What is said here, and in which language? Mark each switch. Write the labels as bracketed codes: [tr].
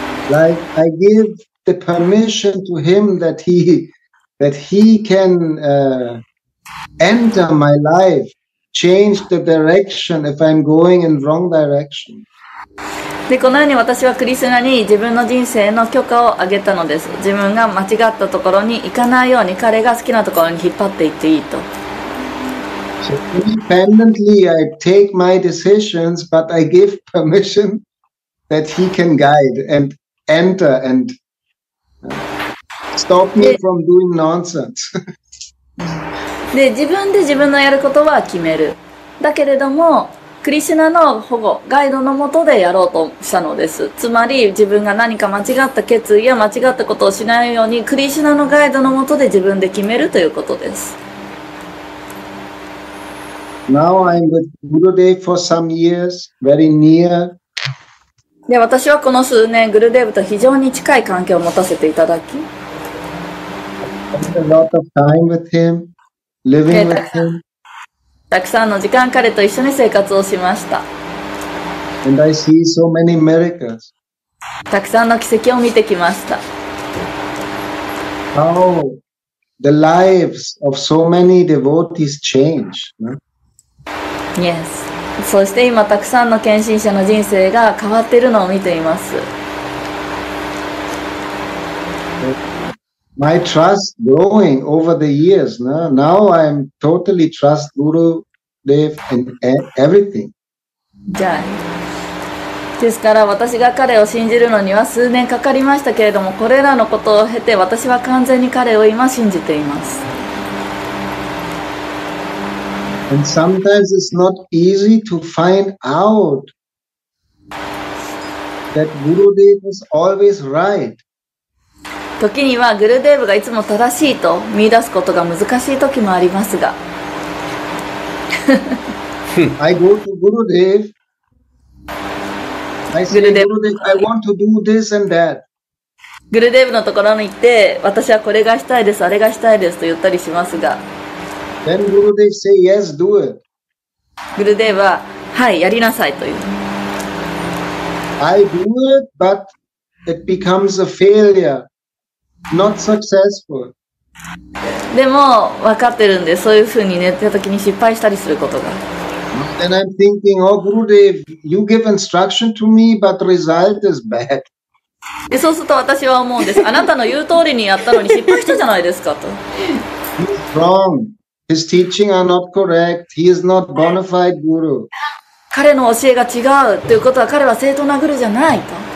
[en] Like I give the permission to him that he can enter my life, change the direction if I'm going in wrong direction. [ja] で、このように私はクリスナに自分の人生の許可をあげたのです。自分が間違ったところに行かないように彼が好きなところに引っ張っていっていいと。 [en] So independently I take my decisions, but I give permission that he can guide and enter and stop me from doing nonsense. [ja] で、自分で自分のやることは決める。だけれども、クリシュナの保護、ガイドのもとでやろうとしたのです。つまり、自分が何か間違った決意や間違ったことをしないように、クリシュナのガイドのもとで自分で決めるということです。 [en] Now I'm with Gurudev for some years, very near. [ja] で、私はこの数年、グルデーブと非常に近い関係を持たせていただき、 [en] A lot of time with him, living with him. [ja] たくさんの時間彼と一緒に生活をしました。 [en] And I see so many miracles. [ja] たくさんの奇跡を見てきました。 [en] How the lives of so many devotees change, no? Yes. [ja] そして今たくさんの献身者の人生が変わっているのを見ています。 [en] My trust growing over the years. Now I'm totally trust Guru Dev in everything. [ja] ですから私が彼を信じるのには数年かかりましたけれども、これらのことを経て私は完全に彼を今信じています。 [en] And sometimes it's not easy to find out that Guru Dev is always right. [ja] 時にはグルデーブがいつも正しいと見出すことが難しい時もありますが。 [en] I go to Guru Dev. I say, Guru Dev, I want to do this and that. [ja] グルデーブのところに行って、私はこれがしたいです、あれがしたいですと言ったりしますが。 [en] Then Guru Dev say, yes, do it. [ja] グルデーブは、はい、やりなさいと言う。 [en] I do it, but it becomes a failure. Not successful. [ja] でも分かってるんで、そういうふうに寝てた時に失敗したりすることが。 [en] Then I'm thinking, oh Gurudev, you give instruction to me, but result is bad. [ja] で、そうすると私は思うんです。あなたの言う通りにやったのに失敗したじゃないですかと。 [en] He's wrong. His teaching are not correct. He is not bona fide guru. [ja] 彼の教えが違うということは彼は正当なグルじゃないと。